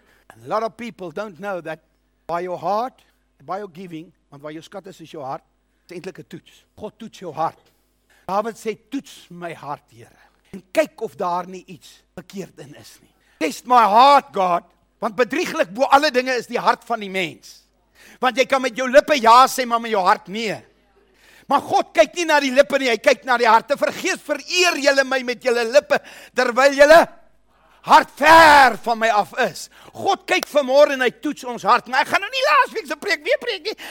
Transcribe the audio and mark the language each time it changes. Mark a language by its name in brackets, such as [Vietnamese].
[English] A lot of people don't know that by your heart, by your giving, [Afrikaans] want waar jou skat is jou hart, is eintlik 'n toets. God toets jou hart. David sê, toets my hart, Here. En kyk of daar nie iets verkeerd in is nie. [English] Test my heart, God. [Afrikaans] Want bedrieglik bo alle dinge is die hart van die mens. Want jy kan met jou lippe ja sê, maar met jou hart nee. Maar God kyk nie na die lippe nie, hy kyk na die harte. Vergeet vereer julle my met julle lippe, terwyl julle hart ver van my af is. God kyk vanmôre en hy toets ons hart. Maar ek gaan nou nie laas week se preek weer preek nie.